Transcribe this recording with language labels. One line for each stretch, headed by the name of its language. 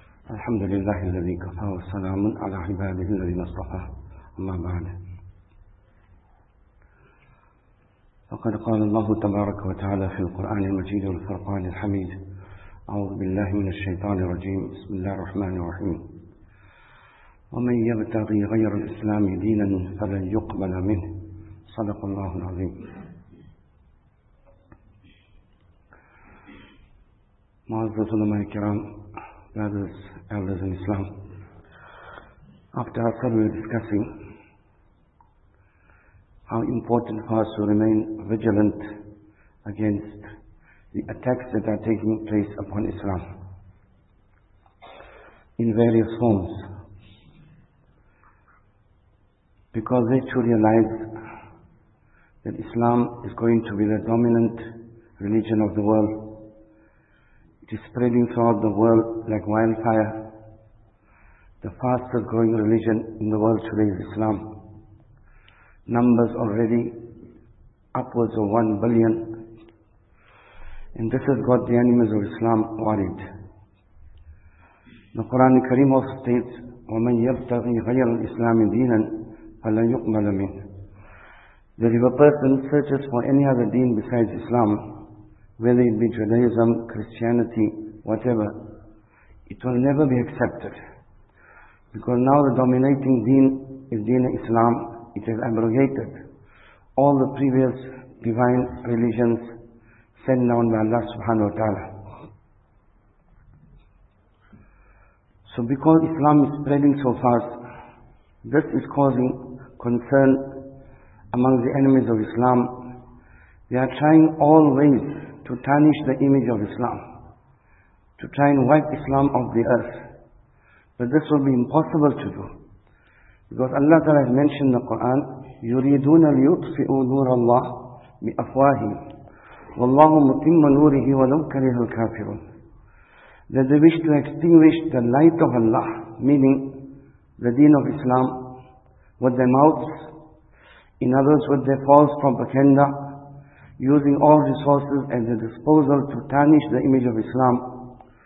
Arabic: الحمد لله الذي كفى والسلام على عباده الذين اصطفى، أما بعد، فقد قال الله تبارك وتعالى في القرآن المجيد والفرقان الحميد: أعوذ بالله من الشيطان الرجيم، بسم الله الرحمن الرحيم. ومن يبتغي غير الإسلام دينا فلن يقبل منه، صدق الله العظيم.
English: Ma'azzat ulama-i kiram, brothers, elders in Islam, after our sabr discussing how important for us to remain vigilant against the attacks that are taking place upon Islam in various forms, because they should realize that Islam is going to be the dominant religion of the world. It is spreading throughout the world like wildfire. The fastest growing religion in the world today is Islam. Numbers already upwards of 1 billion. And this has got the enemies of Islam worried. The Quran Karim also states,
Arabic: وَمَنْ يَبْتَغِي غَيْرَ الْإِسْلَامِ دِينًا فَلَنْ يُقْبَلَ مِنْهُ.
English: That if a person searches for any other deen besides Islam, whether it be Judaism, Christianity, whatever, it will never be accepted. Because now the dominating deen is deen Islam. It has abrogated all the previous divine religions sent down by Allah subhanahu wa ta'ala. So because Islam is spreading so fast, this is causing concern among the enemies of Islam. They are trying all ways to tarnish the image of Islam, to try and wipe Islam off the earth. But this will be impossible to do. Because Allah Ta'ala has mentioned in the Quran,
Arabic: يُرِيدُونَ لِيُطْفِئُوا نُورَ اللَّهِ بِأَفْوَاهِمْ وَاللَّهُ مُتِمَّ نُورِهِ وَلَوْ كَرِهَ الْكَافِرُونَ.
English: That they wish to extinguish the light of Allah, meaning the deen of Islam, with their mouths, in others with their false propaganda, using all resources at their disposal to tarnish the image of Islam.